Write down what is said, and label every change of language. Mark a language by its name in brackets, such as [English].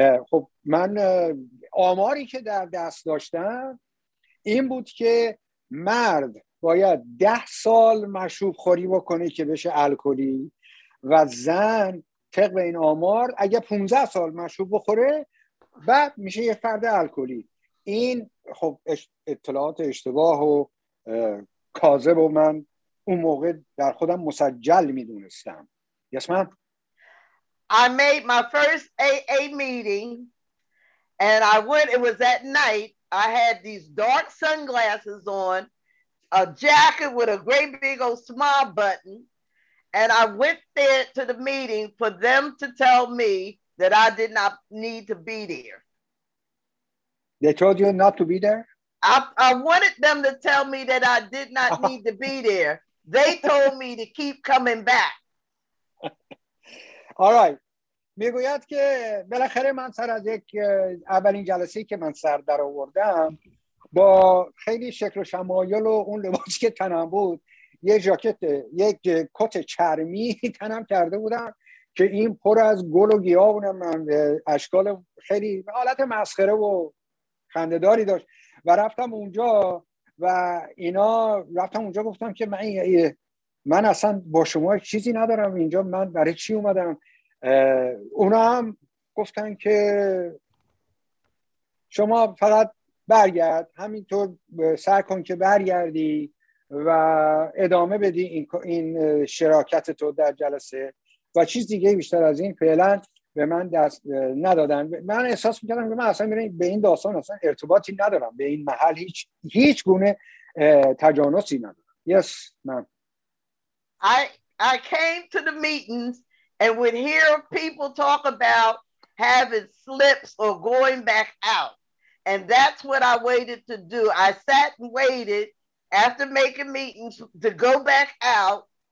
[Persian] خب من آماری که در دست داشتم این بود که مرد باید 10 سال مشروب خوری بکنه که بشه الکلی و زن طبق این آمار اگه 15 سال مشروب بخوره بعد میشه یه فرد الکلی. این خب اطلاعات اشتباه و کاذب و من اون موقع در خودم مسجل میدونستم. [English] Yes, ma'am. I made my first AA meeting and I went, it was at night. I had these dark sunglasses on, a jacket with a great big old smile button. And I went there to the meeting for them to tell me that I did not need to be there. They told you not to be there? I wanted them to tell me that I did not need to be there. They told me to keep coming back. Alright. [Persian] میگوید که بالاخره من سر از یک اولین جلسه‌ای که من سر در آوردم با خیلی شکل و شمایل و اون لباسی که تنم بود، یه ژاکت، یک کت چرمی تنم کرده بودم که این پر از گل و گیاه بود، من اشکال خیلی حالت مسخره و خنده‌داری داشت و رفتم اونجا و اینا، رفتم اونجا گفتم که من اصلا با شما چیزی ندارم اینجا، من برای چی اومدم؟ اونا هم گفتن که شما فقط برگرد، همینطور سعی کن که برگردی و ادامه بدی این شراکت تو در جلسه و چیز دیگه بیشتر از این فعلا به من دست ندادن. من احساس میکردم که من اصلا میرم به این داستان اصلا ارتباطی ندارم، به این محل هیچ گونه تجانسی ندارم. [English] Yes, ma'am. I came to the meetings and would hear people talk about having slips or going back out. And that's what I waited to do. I sat and waited after making meetings to go back out.